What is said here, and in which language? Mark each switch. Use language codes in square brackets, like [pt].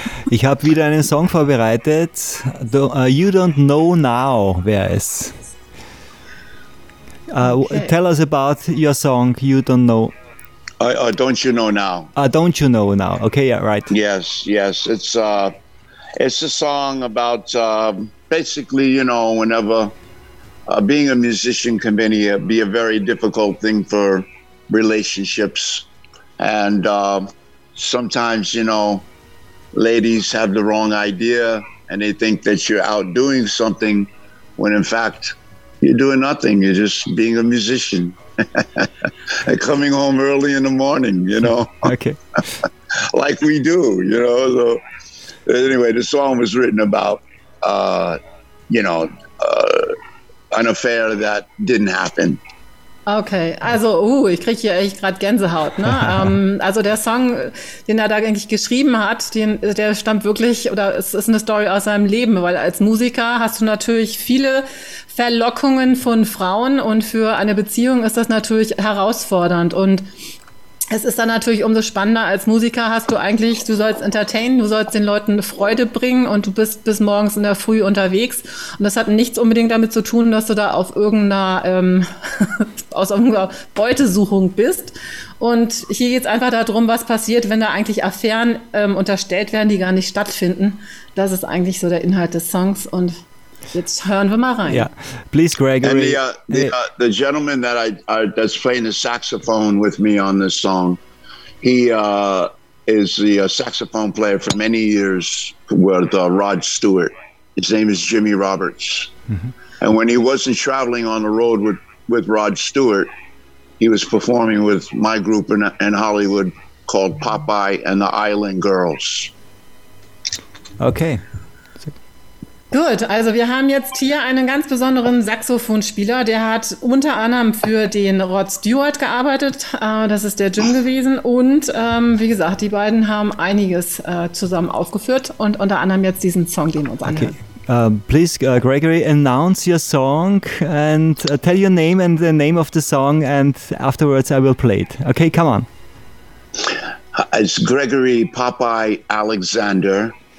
[de] Ich habe wieder einen Song vorbereitet. You Don't Know Now wäre es. [en] Tell us about your song, You Don't Know. Don't You Know Now. Don't You Know Now. Okay, yeah, right. Yes, yes. It's a song about basically, you know, whenever being a musician can be a very difficult thing for relationships. And sometimes, you know, ladies have the wrong idea and they think that you're out doing something when in fact you're doing nothing. You're just being a musician and coming home early in the morning, you know, okay, like we do, you know. So anyway, the song was written about, you know, an affair that didn't happen. [de] Okay, also ich kriege hier echt gerade Gänsehaut. Ne? Also der Song, den er da eigentlich geschrieben hat, der stammt wirklich, oder es ist eine Story aus seinem Leben, weil als Musiker hast du natürlich viele Verlockungen von Frauen und für eine Beziehung ist das natürlich herausfordernd. Und es ist dann natürlich umso spannender, als Musiker hast du eigentlich, du sollst entertainen, du sollst den Leuten Freude bringen und du bist bis morgens in der Früh unterwegs. Und das hat nichts unbedingt damit zu tun, dass du da auf irgendeiner aus irgendeiner Beutesuchung bist. Und hier geht es einfach darum, was passiert, wenn da eigentlich Affären unterstellt werden, die gar nicht stattfinden. Das ist eigentlich so der Inhalt des Songs. Und jetzt hören wir mal rein. [en] Yeah, please, Gregory. And the gentleman that that's playing the saxophone with me on this song, he is the saxophone player for many years with Rod Stewart. His name is Jimmy Roberts. Mm-hmm. And when he wasn't traveling on the road with Rod Stewart, he was performing with my group in Hollywood called Popeye and the Island Girls. Okay. [de] Gut, also wir haben jetzt hier einen ganz besonderen Saxophonspieler, der hat unter anderem für den Rod Stewart gearbeitet, das ist der Jim gewesen und wie gesagt, die beiden haben einiges zusammen aufgeführt und unter anderem jetzt diesen Song, den wir uns anhören. [en] Okay. Please, Gregory, announce your song and tell your name and the name of the song and afterwards I will play it. Okay, come on. It's Gregory Popeye Alexander.